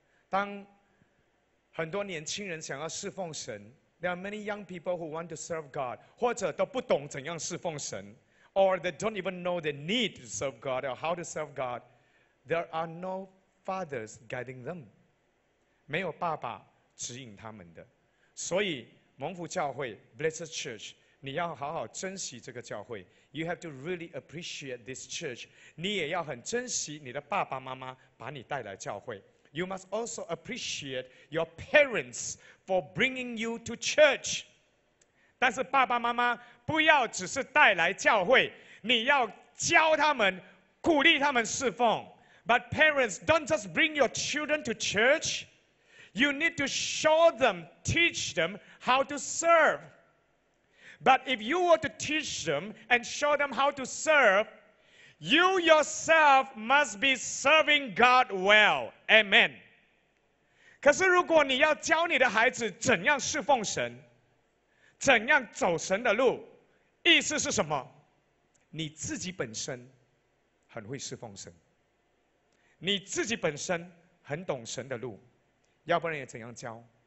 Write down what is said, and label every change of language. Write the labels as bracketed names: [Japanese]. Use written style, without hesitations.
[Chinese] 当很多年轻人想要侍奉神。 [English] There are many young people who want to serve God, [Chinese] 或者都不懂怎样侍奉神 [English] or they don't even know they need to serve God or how to serve God. There are no fathers guiding them. [Chinese] 没有爸爸指引他们的。所以蒙福教会 Blessed Church, 你要好好珍惜这个教会。 [English] You have to really appreciate this church. [Chinese] 你也要很珍惜你的爸爸妈妈把你带来教会。 [English] You must also appreciate your parents for bringing you to church. [Chinese] 但是爸爸妈妈不要只是带来教会，你要教他们，鼓励他们侍奉。 [English] But parents, don't just bring your children to church. You need to show them, teach them how to serve. But if you were to teach them and show them how to serve,You yourself must be serving God well. Amen. [Chinese] 可是如果你要教你的孩子怎样侍奉神，怎样走神的路，意思是什么？你自己本身很会侍奉神，你自己本身很懂神的路，要不然也怎样教？